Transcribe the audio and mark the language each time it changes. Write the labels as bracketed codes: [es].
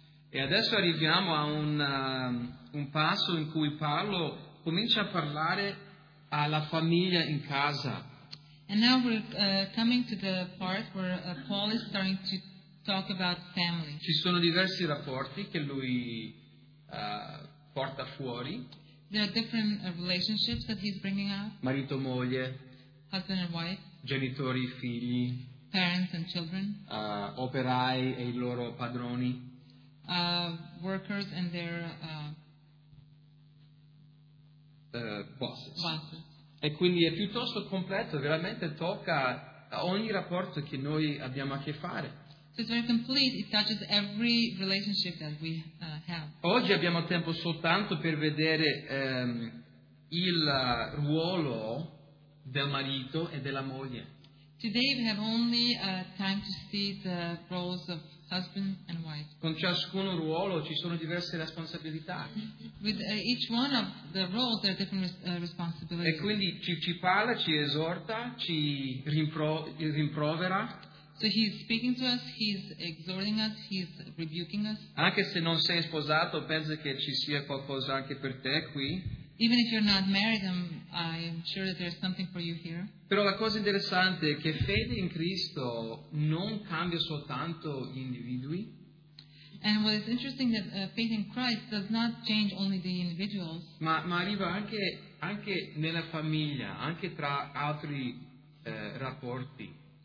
[it] E adesso arriviamo a un passo in cui Paolo comincia a parlare alla famiglia in casa. [en] And now we're coming to the part where Paul is starting to talk about family. [it] Ci sono diversi rapporti che lui porta fuori. [en] There are different relationships that he's bringing up. [it] Marito, moglie. [en] Husband and wife. [it] Genitori, figli. [en] Parents and children. [it] Operai e i loro padroni. [en] Workers and their bosses. [it] E quindi è piuttosto completo, veramente tocca ogni rapporto che noi abbiamo a che fare. [en] So it's very complete, it touches every relationship that we have. [it] Oggi abbiamo tempo soltanto per vedere il ruolo del marito e della moglie. [en] Today we have only time to see the roles of husband and wife. [it] Con ciascuno ruolo ci sono diverse responsabilità. [en] With each one of the roles there are different responsibilities. [it] E quindi ci parla, ci esorta, ci rimprovera. [en] So he's speaking to us, he's exhorting us, he's rebuking us. [it] Anche se non sei sposato, penso che ci sia qualcosa anche per te qui. [en] Even if you're not married, I'm sure that there's something for you here. [it] Però la cosa interessante è che fede in Cristo non cambia soltanto gli individui. [en] And what is interesting that faith in Christ does not change only the individuals. [it] Ma arriva anche nella famiglia, anche tra altri rapporti.